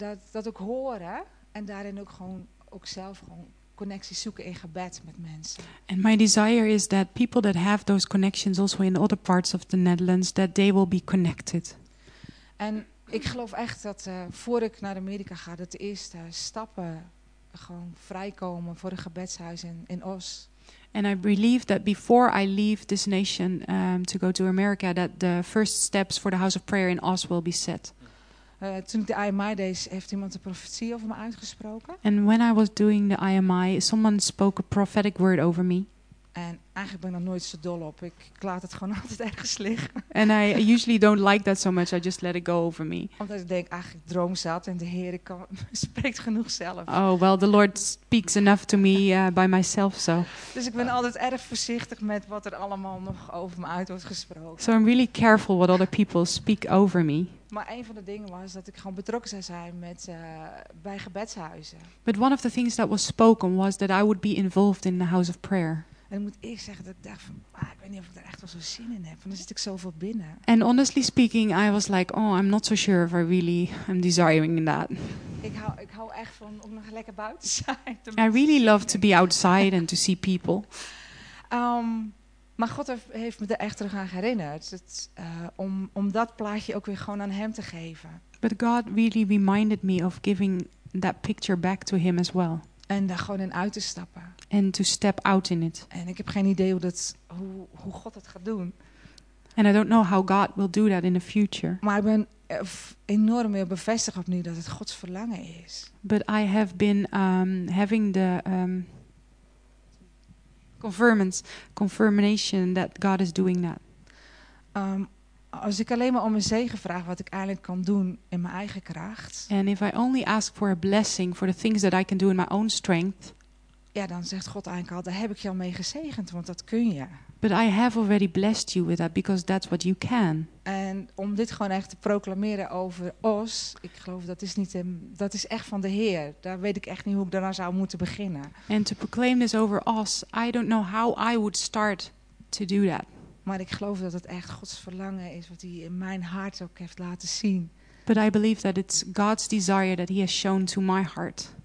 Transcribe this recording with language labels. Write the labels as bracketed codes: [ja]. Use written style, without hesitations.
[nl] Dat ook horen en daarin ook gewoon ook zelf gewoon connecties zoeken in gebed met mensen. [en] And my desire is that people that have those connections also in other parts of the Netherlands, that they will be connected. [nl] En ik geloof echt dat voor ik naar Amerika ga, dat de eerste stappen gewoon vrijkomen voor een gebedshuis in Oss. [en] And I believe that before I leave this nation to go to America, that the first steps for the House of Prayer in Oss will be set. [nl] Toen ik de IMI deed, heeft iemand een profetie over me uitgesproken. [en] And when I was doing the IMI, someone spoke a prophetic word over me. [nl] En eigenlijk ben ik er nooit zo dol op. Ik laat het gewoon altijd ergens liggen. [en] And I usually don't like that so much. I just let it go over me. [nl] Omdat ik denk, eigenlijk droom zat en de Heer spreekt genoeg zelf. [en] Oh, well, the Lord speaks enough to me by myself, so. [nl] Dus ik ben altijd erg voorzichtig met wat er allemaal nog over me uit wordt gesproken. [en] So I'm really careful what other people speak over me. [nl] Maar een van de dingen was dat ik gewoon betrokken zou zijn met bij gebedshuizen. [en] But one of the things that was spoken was that I would be involved in the House of Prayer. [nl] En ik moet eerst zeggen dat ik dacht van, ik weet niet of ik daar echt wel zo zin in heb. Want dan zit ik zoveel binnen. [en] And honestly speaking, I was like, oh, I'm not so sure if I really am desiring that. [nl] Ik hou echt van om nog lekker buiten te zijn. [en] I really love to be outside and to see people. [nl] Maar God heeft me er echt terug aan herinnerd. Om dat plaatje ook weer gewoon aan hem te geven. [en] But God really reminded me of giving that picture back to him as well. [nl] En daar gewoon in uit te stappen. [en] And to step out in it. [nl] En ik heb geen idee hoe God dat gaat doen. [en] And I don't know how God will do that in the future. [nl] Maar ik ben enorm weer bevestigd opnieuw dat het Gods verlangen is. [en] But I have been having the confirmation that God is doing that. [nl] Als ik alleen maar om een zegen vraag wat ik eigenlijk kan doen in mijn eigen kracht. [en] And if I only ask for a blessing for the things that I can do in my own strength. [nl] Ja, dan zegt God eigenlijk al, daar heb ik je al mee gezegend, want dat kun je. [en] But I have already blessed you with that because that's what you can. [nl] En om dit gewoon echt te proclameren over Oss, ik geloof dat is echt van de Heer. Daar weet ik echt niet hoe ik daarna zou moeten beginnen. [en] And to proclaim this over Oss, I don't know how I would start to do that. [nl] Maar ik geloof dat het echt Gods verlangen is wat hij in mijn hart ook heeft laten zien. [en] But I believe that it's God's desire that he has shown to my heart.